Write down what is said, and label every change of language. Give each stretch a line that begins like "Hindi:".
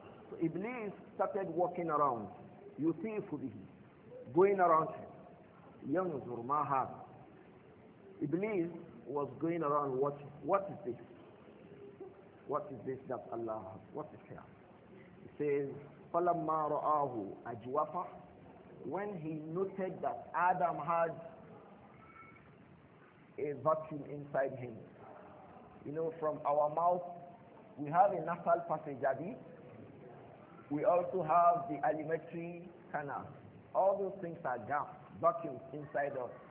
English: So Iblis started walking around. يُتِيفُ بِهِ, going around him.
Arabic: يَنْظُرُ مَا هَذَا.
English: Iblis was going around watching. What is this? What is this that Allah has? What is here?
Arabic: He says, فَلَمَّا رَآهُ أَجْوَفَ.
English: When he noted that Adam had a vacuum inside him, you know, from our mouth we have a nasal passage, Abi. We also have the alimentary canal. All those things are gaps, vacuums inside us.